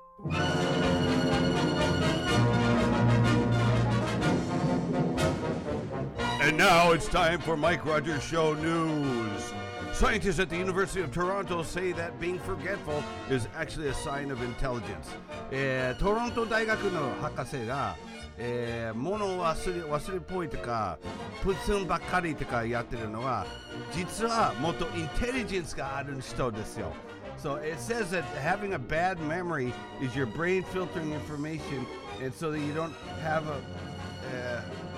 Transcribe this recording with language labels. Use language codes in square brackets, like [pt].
[en] And now it's time for Mike Rogers Show news. Scientists at the University of Toronto say that being forgetful is actually a sign of intelligence. [ja] Toronto 大学の博士が、物を忘れっぽいとか、プツンばっかりとかやってるのは、実はもっとインテリジェンスがある人ですよ。 [en] So it says that having a bad memory is your brain filtering information, and so that you don't have a...